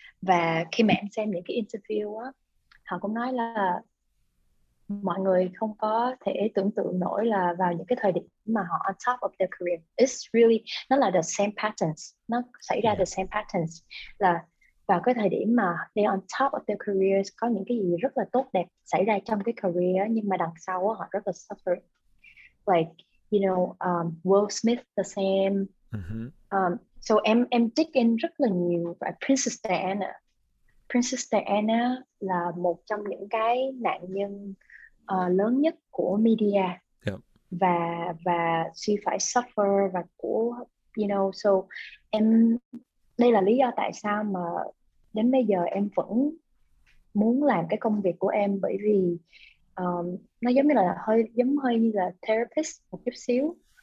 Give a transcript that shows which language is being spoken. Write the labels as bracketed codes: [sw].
[vi] Và khi mà em xem những cái interview á, họ cũng nói là mọi người không có thể tưởng tượng nổi là vào những cái thời điểm mà họ [en] on top of their career, it's really, [vi] nó là [en] the same patterns, [vi] nó xảy ra the same patterns, là vào cái thời điểm mà [en] they on top of their careers [vi] có những cái gì rất là tốt đẹp xảy ra trong cái career, nhưng mà đằng sau họ rất là suffering. [en] Like, you know, Will Smith the same. [vi] So em dig in rất là nhiều. Và Princess Diana là một trong những cái nạn nhân lớn nhất của media. Và she phải suffer và của, you know, so em, đây là lý do tại sao mà đến bây giờ em vẫn muốn làm cái công việc của em, bởi vì nó giống như là hơi như là therapist một chút xíu.